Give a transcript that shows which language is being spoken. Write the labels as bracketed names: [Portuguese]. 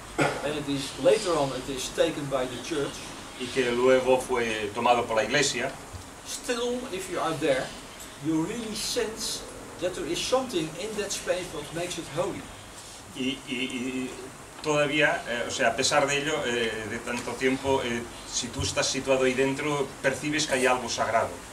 [English] And it is later on it is taken by the church. [Spanish] Y que luego fue tomado por la iglesia. [English] Still, if you are there, you really sense that there is something in that space that makes it holy. [Spanish] Y todavía, o sea, a pesar de ello, de tanto tiempo, si tú estás situado ahí dentro, percibes que hay algo sagrado.